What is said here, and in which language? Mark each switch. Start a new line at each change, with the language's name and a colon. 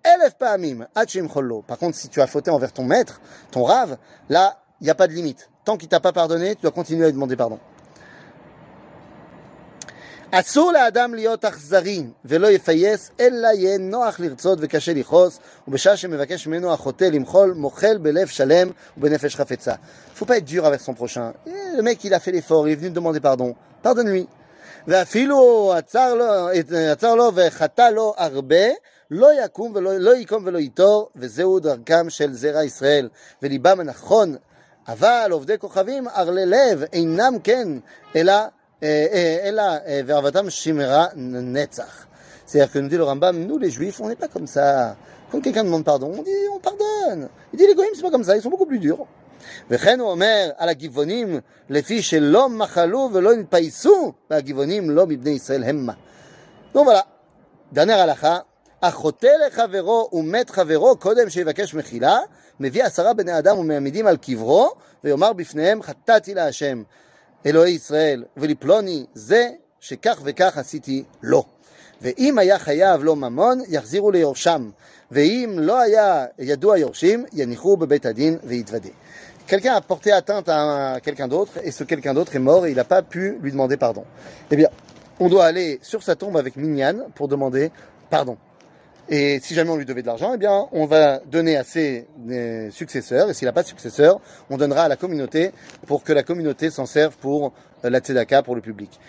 French: Par contre, si tu as fauté envers ton maître, ton rav, là, il n'y a pas de limite. Tant qu'il ne t'a pas pardonné, tu dois continuer à lui demander pardon.
Hebrew: אסור לאדם להיות אכזרי ולא יפייס אלא יהיה נוח לרצות וקשה לכעוס ובשעה שמבקש ממנו החוטא למחול מוחל בלב שלם ובנפש חפצה.
French: Faut pas être dur avec son prochain. Le mec il a fait l'effort, il est venu te demander pardon. Pardonne-lui.
Hebrew: ואפילו עצר לו וחטא לו הרבה לא יקום ולא לא יקום ולא ייטור, וזהו דרכם של זרע ישראל, וליבם הנכון, אבל עובדי כוכבים, ערלי לב, אינם כן, אלא, ועבדתם שמרה נצח.
French: C'est-à-dire que nous dit le Rambam, nous les juifs, on n'est pas comme ça. Quand quelqu'un demande pardon, on dit on pardonne. Il dit les goyim, c'est pas comme ça, ils sont beaucoup plus durs.
Hebrew: וכן הוא אומר על הגבעונים לפי שלא מחלו ולא נתפייסו והגבעונים לא מבני ישראל המה. נו וולה, דנר הלכה, החוטא לחברו ומת חברו קודם שיבקש מחילה, מביא עשרה בני אדם ומעמידים על קברו ויאמר בפניהם חטאתי להשם אלוהי ישראל ולפלוני זה שכך וכך עשיתי לו. ואם היה חייב לו ממון יחזירו ליורשם, ואם לא היה ידוע יורשים יניחו בבית הדין ויתוודה.
French: Quelqu'un a porté atteinte à quelqu'un d'autre et ce quelqu'un d'autre est mort et il n'a pas pu lui demander pardon. Eh bien, on doit aller sur sa tombe avec Minyan pour demander pardon. Et si jamais on lui devait de l'argent, eh bien, on va donner à ses successeurs. Et s'il n'a pas de successeur, on donnera à la communauté pour que la communauté s'en serve pour la tzedaka, pour le public.